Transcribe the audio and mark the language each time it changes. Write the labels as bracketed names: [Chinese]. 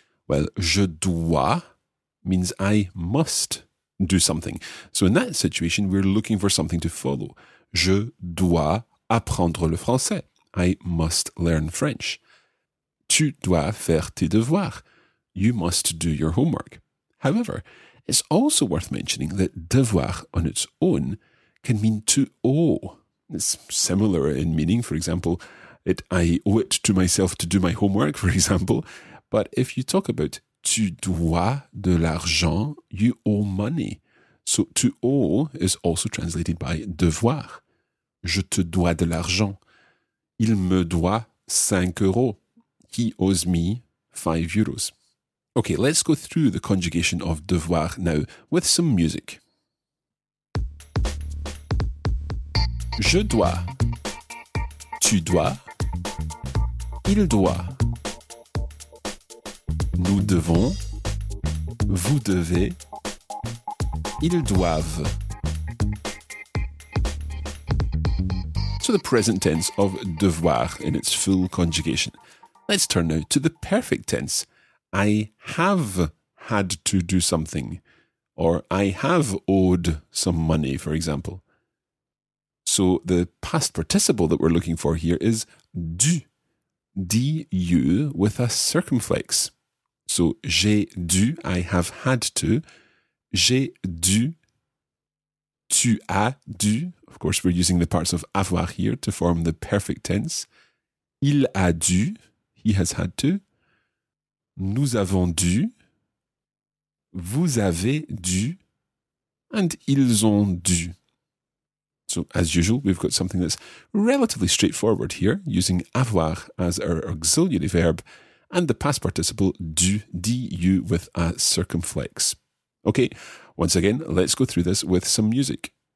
[English] Well, [French] je dois [English] means I must do something. So in that situation, we're looking for something to follow. [French] Je dois apprendre le français. [English] I must learn French. [French] Tu dois faire tes devoirs. [English] You must do your homework. However, it's also worth mentioning that devoir on its own can mean to owe. It's similar in meaning. For example, I owe it to myself to do my homework, for example. But if you talk about [French] tu dois de l'argent, [English] you owe money. So to owe is also translated by devoir. [French] Je te dois de l'argent. Il me doit 5 euros. [English] He owes me 5 euros. Okay, let's go through the conjugation of devoir now with some music. [French] Je dois. Tu dois. Il doit. Nous devons, vous devez, ils doivent. [English] So the present tense of devoir in its full conjugation. Let's turn now to the perfect tense. I have had to do something. or I have owed some money, for example. So the past participle that we're looking for here is dû, D-U with a circumflex. [French] So j'ai dû, [English] I have had to, [French] j'ai dû, tu as dû. [English] Of course, we're using the parts of avoir here to form the perfect tense. [French] Il a dû, [English] he has had to. [French] Nous avons dû, vous avez dû, [English] and [French] ils ont dû. [English] So, as usual, we've got something that's relatively straightforward here, using avoir as our auxiliary verb, and the past participle dû, D-U, with a circumflex. Okay, once again, let's go through this with some music.